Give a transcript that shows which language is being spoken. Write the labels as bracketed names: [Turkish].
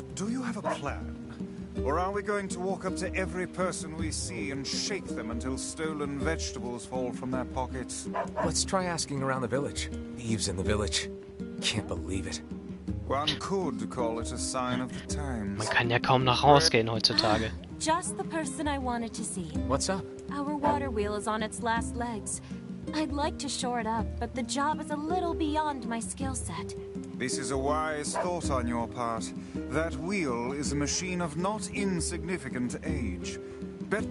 [English] Do you have a plan? Or are we going to walk up to every person we see and shake them until stolen vegetables fall from their pockets? Let's try asking around the village. Thieves in the village. Can't believe it. One could call it a sign of the times. [German] Man kann ja kaum nach Haus gehen heutzutage. [English] Just the person I wanted to see. What's up? Our water wheel is on its last legs. I'd like to shore it up, but the job is a little beyond my skill set. This is a wise thought on your part. That wheel is a machine of not insignificant age. But